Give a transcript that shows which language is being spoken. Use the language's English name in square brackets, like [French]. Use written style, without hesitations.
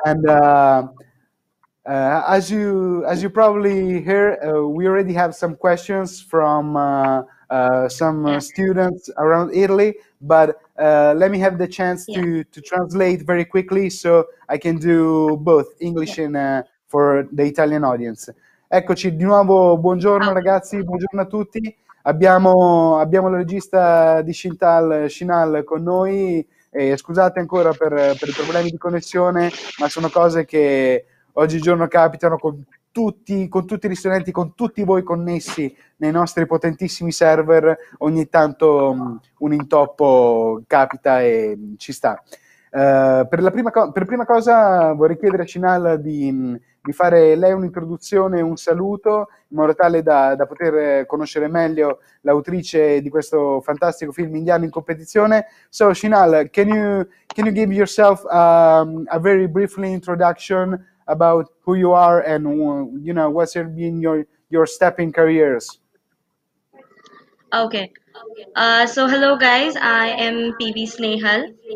[English] And as you probably hear, we already have some questions from some students around Italy, but let me have the chance to translate very quickly so I can do both English and for the Italian audience. [Italian] Eccoci di nuovo, buongiorno ragazzi, buongiorno a tutti. Abbiamo la regista di Shinal con noi e scusate ancora per i problemi di connessione, ma sono cose che oggigiorno capitano con tutti gli studenti, con tutti voi connessi nei nostri potentissimi server, ogni tanto un intoppo capita e ci sta. Per prima cosa vorrei chiedere a Shinal di fare lei un'introduzione, un saluto, in modo tale da poter conoscere meglio l'autrice di questo fantastico film indiano in competizione. [English] So, Shinal, can you give yourself a very briefly introduction about who you are and what's been your stepping careers? Okay. So hello guys, I am PB Snehal.